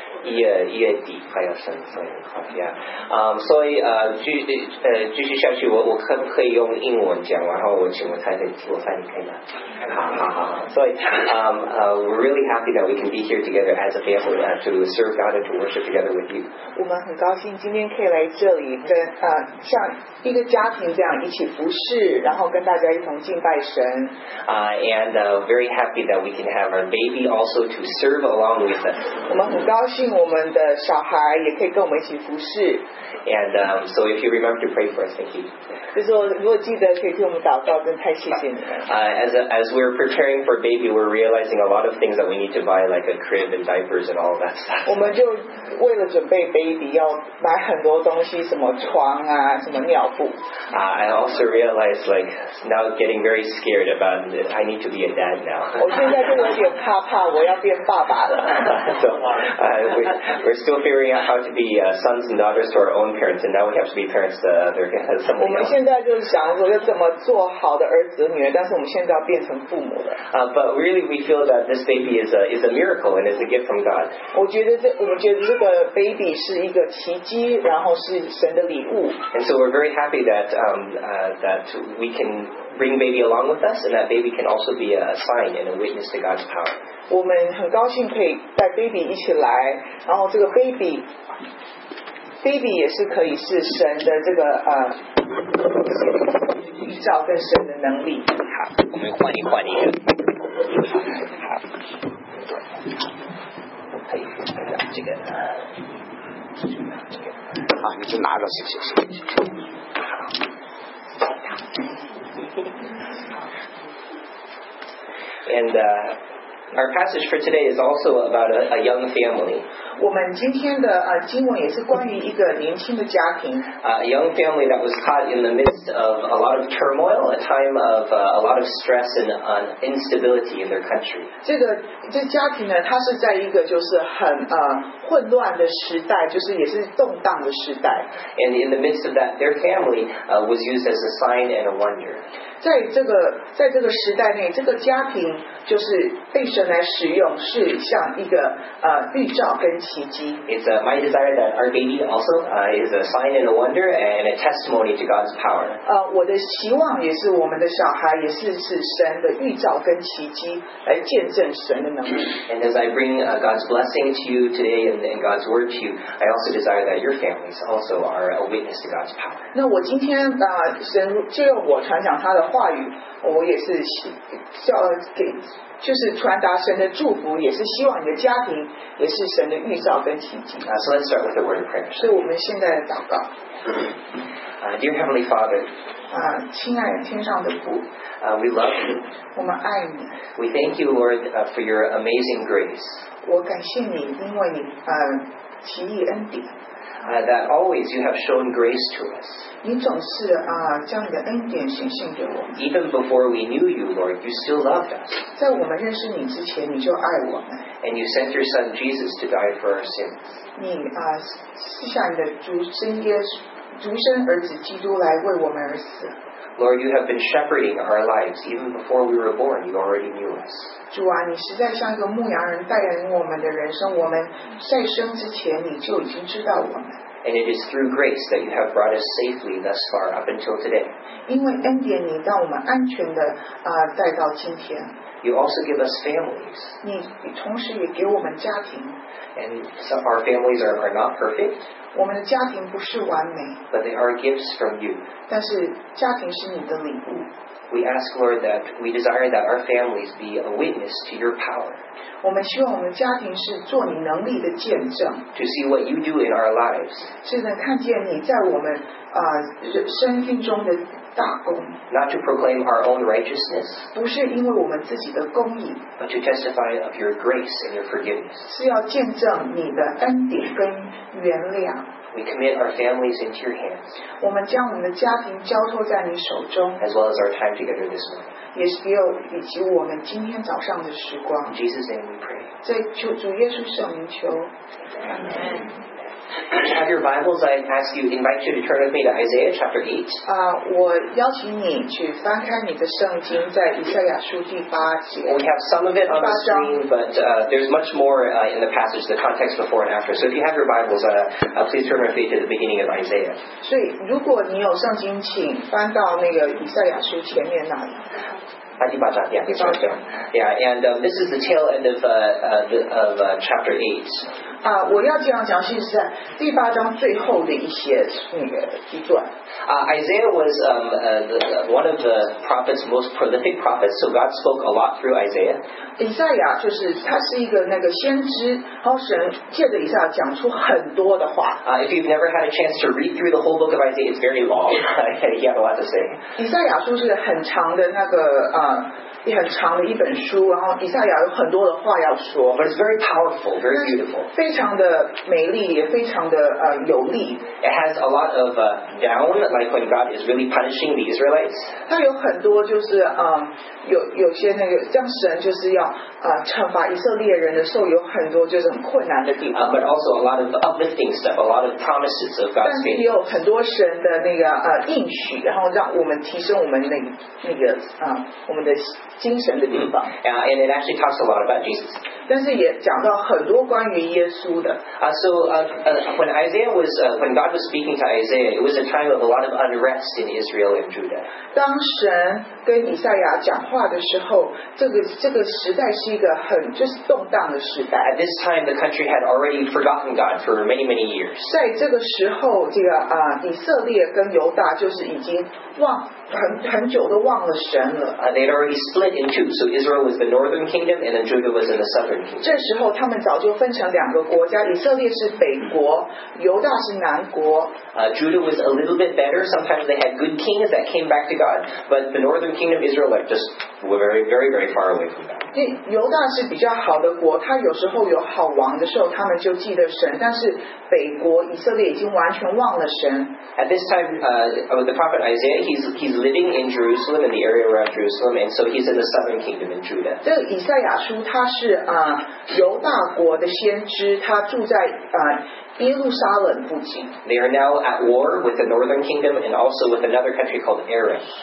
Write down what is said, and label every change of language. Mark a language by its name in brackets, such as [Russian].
[Chinese] 一月底快要生，所以好呀。所以继续下去，我可以用英文讲，然后我请我太太做饭，可以吗？好。所以 [English] we're really happy that we can be here together as a family to serve God and to worship together with you. [Chinese] 我们很高兴今天可以来这里跟像一个家庭这样一起服事，然后跟大家一同敬拜神。 [English] Very happy that we can have our baby also to serve along with us. [Chinese] 我们很高兴。我们的小孩也可以跟我们一起服事。 [English] And so if you remember to pray for us, thank you. [Chinese] 就是如果记得可以替我们祷告，真太谢谢你了。 [English] As we're preparing for baby, we're realizing a lot of things that we need to buy, like a crib and diapers and all that stuff. [Chinese] 我们就为了准备 baby 要买很多东西，什么床啊，什么尿布。 [English] I also realized like now getting very scared about it. I need to be a dad now. [Chinese] 我现在就有点怕，我要变爸爸了。 [English] So we're still figuring out how to be sons and daughters to our own parents, and now we have to be parents to other guys. [Chinese] 我们现在就是想说要怎么做好的儿子女儿，但是我们现在要变成父母了。 [English] But really, we feel that this baby is a miracle and is a gift from God. [Chinese] 我觉得这个 baby 是一个奇迹，然后是神的礼物。 [English] And so we're very happy that that we can bring baby along with us, and that baby can also be a sign and a witness to God's power. [Chinese] 我们很高兴可以带 baby 一起来，然后这个 baby 也是可以是神的这个预兆跟神的能力。好，我们欢迎。好，可以这个，好，你就拿着，谢谢。 [English] And our passage for today is also about a young family. [Chinese] 我们今天的经文也是关于一个年轻的家庭。 [English] A young family that was caught in the midst of a lot of turmoil, a time of a lot of stress and instability in their country. [Chinese] 这家庭呢，它是在一个就是很混乱的时代，就是也是动荡的时代。 [English] And in the midst of that, their family was used as a sign and a wonder. [Chinese] 在这个时代内，这个家庭就是被神来使用，是像一个预兆跟奇迹。 [English] It's my desire that our baby also is a sign and a wonder and a testimony to God's power. [Chinese] 我的希望也是我们的小孩也是神的预兆跟奇迹，来见证神的能力。 [English] And as I bring God's blessing to you today and God's word to you, I also desire that your families also are a witness to God's power. [Chinese] 那我今天神就用我传讲他的话语。我也是叫给，就是传达神的祝福，也是希望你的家庭也是神的预兆跟奇迹。 [English] So let's start with a word of prayer. [Chinese] 所以我们现在的祷告。 [English] Dear Heavenly Father. [Chinese] 亲爱的天上的父。 [English] We love you. [Chinese] 我们爱你。 [English] We thank you, Lord, for your amazing grace. [Chinese] 我感谢你，因为你奇异恩典。 [English] That always you have shown grace to us. [Chinese] 你总是将你的恩典显现给我。 [English] Even before we knew you, Lord, you still loved us. [Chinese] 在我们认识你之前，你就爱我们。 [English] And you sent your Son Jesus to die for our sins. [Chinese] 你赐下你的独生儿子基督来为我们而死。 [English] Lord, you have been shepherding our lives even before we were born. You already knew us. [Chinese] 主啊，你实在像一个牧羊人带领我们的人生。我们在生之前，你就已经知道我们。 [English] And it is through grace that you have brought us safely thus far up until today. [Chinese] 因为恩典，你让我们安全的带到今天。 [English] You also give us families. [Chinese] 你同时也给我们家庭。 [English] And so our families are not perfect. [Chinese] 我们的家庭不是完美。 [English] But they are gifts from you. [Chinese] 但是家庭是你的礼物。 [English] We ask, Lord, that we desire that our families be a witness to your power. [Chinese] 我们希望我们家庭是做你能力的见证。 [English] To see what you do in our lives. [Chinese] 是能看见你在我们生命中的大功。 [English] Not to proclaim our own righteousness. [Chinese] 不是因为我们自己的公义。 [English] But to testify of your grace and your forgiveness. [Chinese] 是要见证你的恩典跟原谅。 [English] We commit our families into your hands. [Chinese] 我们将我们的家庭交托在你手中。 [English] As well as our time together this morning. [Chinese] 也是也有以及我们今天早上的时光。 [English] In Jesus' name we pray. [Chinese] 在求主耶稣圣名求。 [English] Amen. Have your Bibles. I ask you, invite you to turn with me to Isaiah chapter 8. [Chinese] 我邀请你去翻开你的圣经，在以赛亚书第八节。 [English] We have some of it on the screen, but there's much more in the passage, the context before and after. So if you have your Bibles, please turn with me to the beginning of Isaiah. [Chinese] 所以如果你有圣经，请翻到那个以赛亚书前面那里。 [English] And this is the tail end of chapter 8. [Chinese] 我要这样讲，其实是第八章最后的一些一段。 [English] Isaiah was one of the prophets, most prolific prophets, so God spoke a lot through Isaiah. [Chinese] 以赛亚就是他是一个那个先知，然后神借着以赛亚讲出很多的话。 [English] If you've never had a chance to read through the whole book of Isaiah, it's very long. He had a lot to say. [Chinese] 以赛亚书是很长的那个也很长的一本书，然后以赛亚有很多的话要说。 [English] But it's very powerful, very beautiful. [Chinese] 非常的美丽，也非常的有力。 [English] It has a lot of down, like when God is really punishing the Israelites. [Chinese] 它有很多就是有些那个像神就是要惩罚以色列人的时候，有很多就是很困难的地方。 [English] But also a lot of uplifting stuff, a lot of promises of God's faith. [Chinese] 但是也有很多神的那个应许，然后让我们提升我们那个我们的精神的地方。 [English] Yeah, and it actually talks a lot about Jesus. [Chinese] 但是也讲到很多关于耶稣的。 [English] When Isaiah was, when God was speaking to Isaiah, it was a time of a lot of unrest in Israel and Judah. [Chinese] 当神跟以赛亚讲话的时候，这个时代是一个很就是动荡的时代。 [English] At this time, the country had already forgotten God for many, many years. [Chinese] 在这个时候，这个以色列跟犹大就是已经忘。很久都忘了神了。 [English] They had already split in two, so Israel was the northern kingdom, and then Judah was in the southern kingdom. [Chinese] 这时候他们早就分成两个国家，以色列是北国，犹大是南国。 [English] Judah was a little bit better. Sometimes they had good kings that came back to God, but the northern kingdom, Israel, like just were very, very, very far away from God. [Chinese] 犹大是比较好的国，他有时候有好王的时候，他们就记得神。但是北国以色列已经完全忘了神。 [English] At this time, the prophet Isaiah, he's living in Jerusalem, in the area around Jerusalem, and so he's in the southern kingdom in Judah. [Chinese] 这个以赛亚书他是犹大国的先知，他住在耶路撒冷附近。 [English] They are now at war with the northern kingdom and also with another country called Aram.